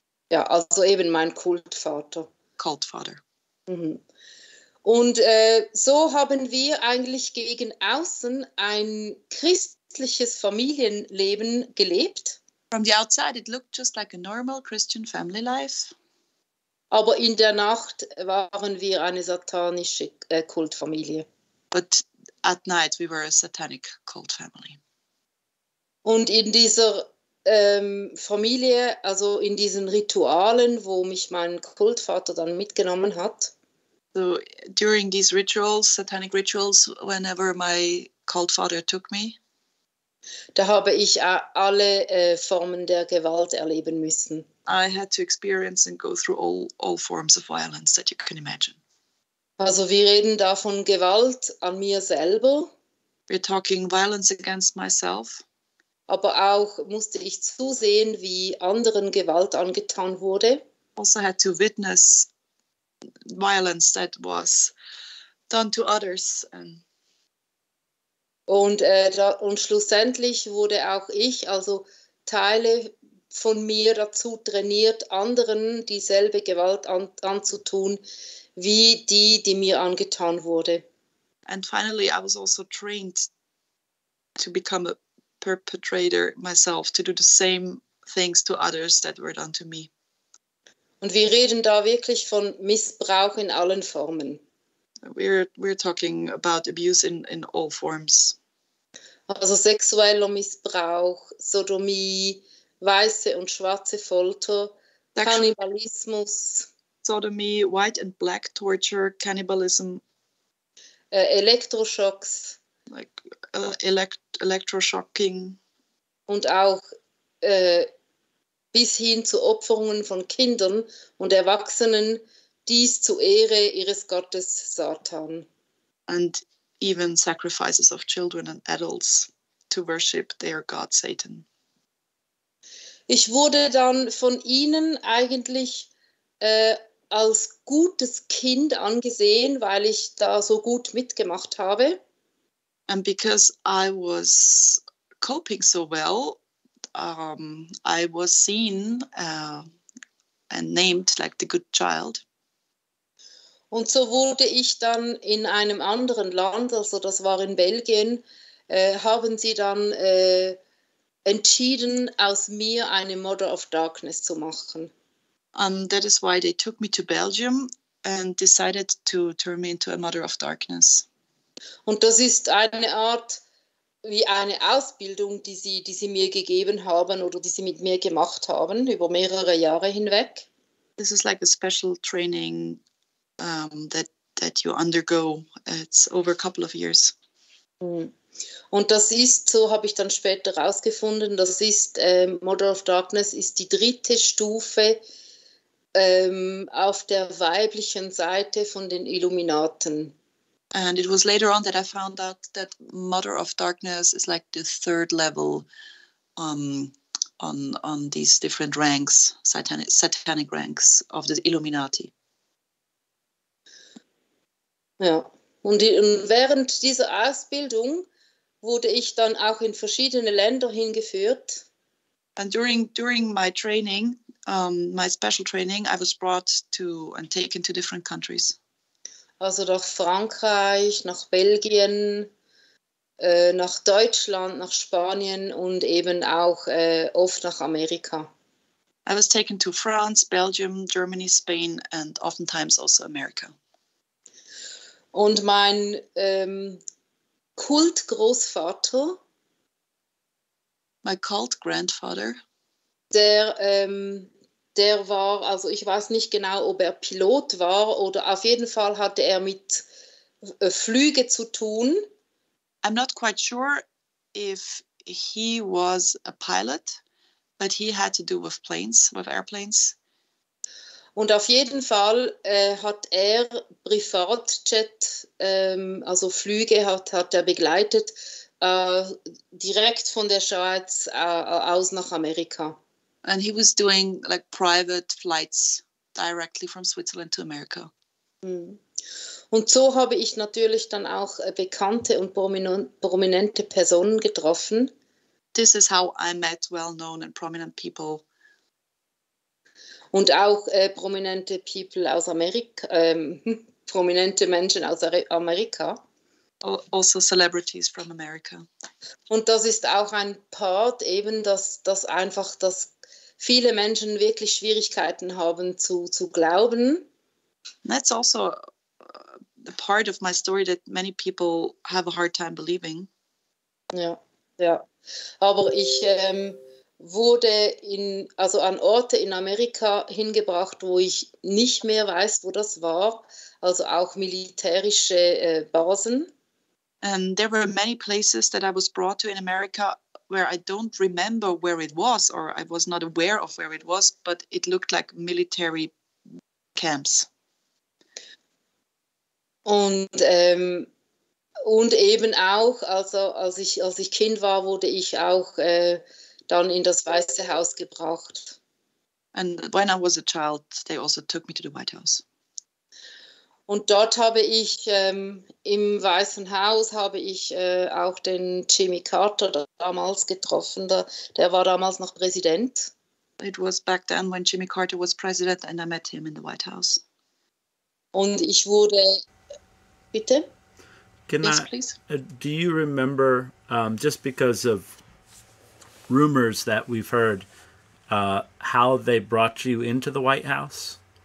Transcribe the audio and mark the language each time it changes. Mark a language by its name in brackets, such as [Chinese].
[German] Ja, also eben mein Kultvater. Kultvater. Mhm. Und so haben wir eigentlich gegen außen ein christliches Familienleben gelebt. [English] From the outside it looked just like a normal Christian family life. [German] Aber in der Nacht waren wir eine satanische Kultfamilie. [English] But at night we were a satanic cult family. [German] Und in dieser Familie, also in diesen Ritualen, wo mich mein Kultvater dann mitgenommen hat. [English] So during these rituals, satanic rituals, whenever my cult father took me. [German] Da habe ich alle Formen der Gewalt erleben müssen. [English] I had to experience and go through all forms of violence that you can imagine. [German] Also wir reden da von Gewalt an mir selber. [English] We're talking violence against myself. [German] Aber auch musste ich zusehen, wie anderen Gewalt angetan wurde. [English] Also had to witness violence that was done to others. [German] Und schlussendlich wurde auch ich, also Teile von mir dazu trainiert, anderen dieselbe Gewalt anzutun, wie die mir angetan wurde. [English] And finally I was also trained to become a perpetrator myself, to do the same things to others that were done to me. [German] Und wir reden da wirklich von Missbrauch in allen Formen. [English] We're talking about abuse in all forms. [German] Also sexueller Missbrauch, Sodomie, weiße und schwarze Folter, Kannibalismus. [English] Sodomie, white and black torture, cannibalism. [German] Elektroschocks. [English] Like electroshocking. [German] Und auch bis hin zu Opferungen von Kindern und Erwachsenen, dies zu Ehre ihres Gottes Satan. [English] And even sacrifices of children and adults to worship their god Satan. [German] Ich wurde dann von ihnen eigentlich als gutes Kind angesehen, weil ich da so gut mitgemacht habe. [English] And because I was coping so well, I was seen and named like the good child. [German] Und so wurde ich dann in einem anderen Land, also das war in Belgien, haben sie dann entschieden, aus mir eine Mother of Darkness zu machen. [English] And that is why they took me to Belgium and decided to turn me into a Mother of Darkness. [German] Und das ist eine Art wie eine Ausbildung, die sie mir gegeben haben oder die sie mit mir gemacht haben über mehrere Jahre hinweg. [English] This is like a special training that you undergo. It's over a couple of years. [German] Und das ist, so habe ich dann später herausgefunden, das ist Mother of Darkness ist die dritte Stufe auf der weiblichen Seite von den Illuminaten. [English] And it was later on that I found out that Mother of Darkness is like the third level on these different ranks, satanic ranks of the Illuminati. [German] Ja, und während dieser Ausbildung wurde ich dann auch in verschiedene Länder hingeführt. [English] And during my training, my special training, I was brought to and taken to different countries. [German] Also nach Frankreich, nach Belgien, nach Deutschland, nach Spanien und eben auch oft nach Amerika. [English] I was taken to France, Belgium, Germany, Spain and oftentimes also America. [German] Und mein Kultgroßvater, [English] my cult grandfather, [German] der war, also ich weiß nicht genau, ob er Pilot war oder auf jeden Fall hatte er mit Flüge zu tun. [English] I'm not quite sure if he was a pilot, but he had to do with planes, with airplanes. [German] Und auf jeden Fall hat er Privatjet, also Flüge hat er begleitet, direkt von der Schweiz aus nach Amerika. [English] And he was doing like private flights directly from Switzerland to America. [German] Und so habe ich natürlich dann auch bekannte und prominente Personen getroffen. [English] This is how I met well-known and prominent people. [German] Und auch prominente [English] People [German] aus Amerika, prominente Menschen aus Amerika. [English] Also celebrities from America. [German] Und das ist auch ein Part eben, dass einfach das viele Menschen wirklich Schwierigkeiten haben zu glauben. [English] That's also a part of my story that many people have a hard time believing. [German] Ja. Aber ich wurde also an Orte in Amerika hingebracht, wo ich nicht mehr weiß, wo das war. Also auch militärische Basen. [English] And there were many places that I was brought to in America, where I don't remember where it was, or I was not aware of where it was, but it looked like military camps. [German] Und eben auch, also als ich Kind war, wurde ich auch dann in das Weiße Haus gebracht. [English] And when I was a child, they also took me to the White House. [German] Und dort habe ich im Weißen Haus habe ich auch den Jimmy Carter damals getroffen. Der war damals noch Präsident. [English] It was back then when Jimmy Carter was president and I met him in the White House. [German] Und ich wurde, bitte? [English] Can yes, I, please. Do you remember, just because of rumors that we've heard, how they brought you into the White House?